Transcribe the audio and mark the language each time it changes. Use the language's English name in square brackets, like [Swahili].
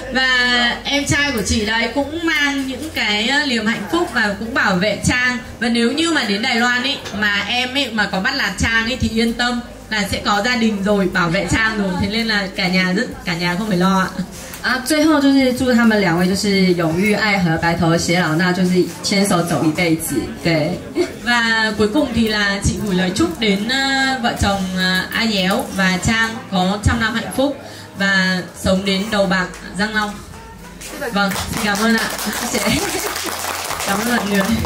[Vietnamese] Và em trai của chị đấy cũng mang những cái niềm hạnh phúc và cũng bảo vệ Trang. Và nếu như mà đến Đài Loan ấy mà em ấy mà có bắt nạt Trang ấy thì yên tâm là sẽ có gia đình rồi bảo vệ Trang rồi. Thế nên là cả nhà không phải lo ạ. [Chinese] 啊，最后就是祝他们两位就是永浴爱河，白头偕老，那就是牵手走一辈子。对。 [Vietnamese] và cuối cùng thì là chị gửi lời chúc đến vợ chồng A Yéo và Trang có trăm năm hạnh phúc và sống đến đầu bạc răng long. vâng, cảm ơn ạ, sẽ cảm ơn mọi người.